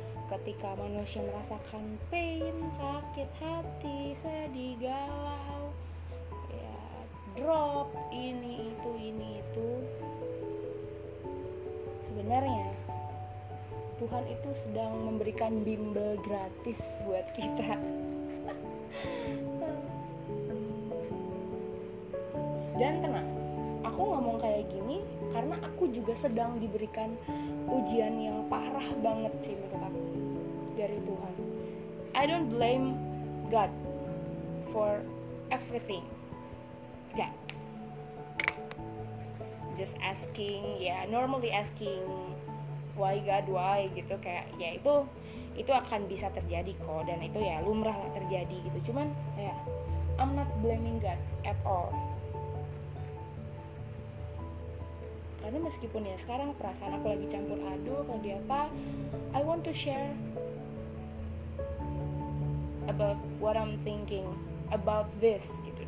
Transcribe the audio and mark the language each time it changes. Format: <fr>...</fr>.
<id>Ketika manusia merasakan pain, sakit hati, sedih, galau, ya drop, ini itu, sebenarnya Tuhan itu sedang memberikan bimbel gratis buat kita. Dan tenang, aku ngomong kayak gini karena aku juga sedang diberikan ujian yang parah banget sih menurut aku dari Tuhan.</id> <en>I don't blame God for everything. Gak. just asking,</en> <id>ya</id> <en>normally asking why God why</en> <id>gitu, kayak ya itu akan bisa terjadi kok, dan itu ya lumrah lah terjadi gitu. Cuman ya</id> <en>I'm not blaming God at all,</en> <id>karena meskipun ya sekarang perasaan aku lagi campur aduk lagi apa,</id> <en>I want to share about what I'm thinking about this gitu.</en>